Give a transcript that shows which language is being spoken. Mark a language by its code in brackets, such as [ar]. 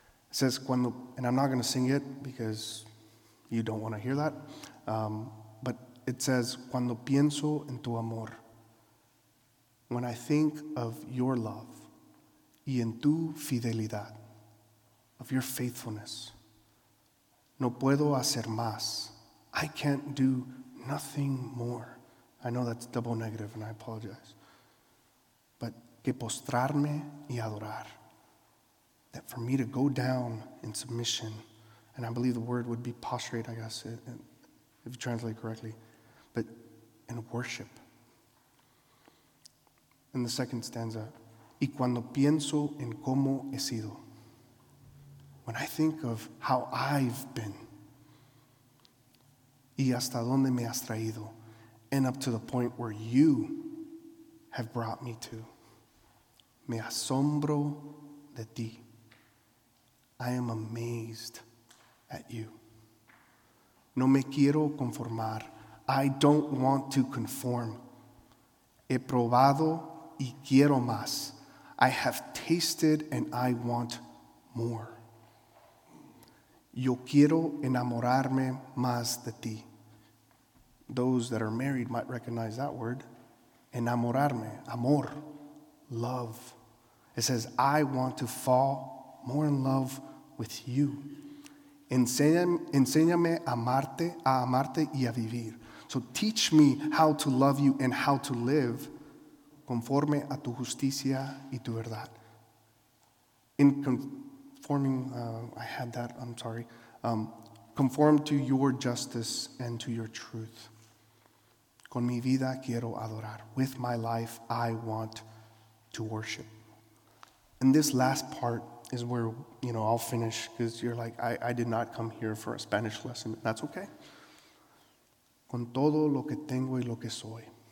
[en] It says, cuando, and I'm not going to sing it because you don't want to hear that, but it says, cuando pienso en tu amor, when I think of your love, y en tu fidelidad, of your faithfulness, no puedo hacer más, I can't do nothing more. I know that's double negative, and I apologize. [es] But que postrarme y adorar. [en] That for me to go down in submission, and I believe the word would be prostrate, I guess, if you translate correctly, but in worship. [es] In the second stanza, y cuando pienso en cómo he sido. [en] When I think of how I've been, y hasta dónde me has traído. And up to the point where you have brought me to. Me asombro de ti. I am amazed at you. No me quiero conformar. I don't want to conform. [es] He probado y quiero más. [en] I have tasted and I want more. [es] Yo quiero enamorarme más de ti. [en] Those that are married might recognize that word. Enamorarme, amor, love. It says, I want to fall more in love with you. [es] Enséñame a amarte y a vivir. [en] So teach me how to love you and how to live conforme a tu justicia y tu verdad. In conforming, I had that, I'm sorry. Conform to your justice and to your truth. [es] Con mi vida quiero adorar. [en] With my life, I want to worship. And this last part is where, you know, I'll finish because you're like, I did not come here for a Spanish lesson. That's okay. [es] Con todo lo que tengo y lo que soy.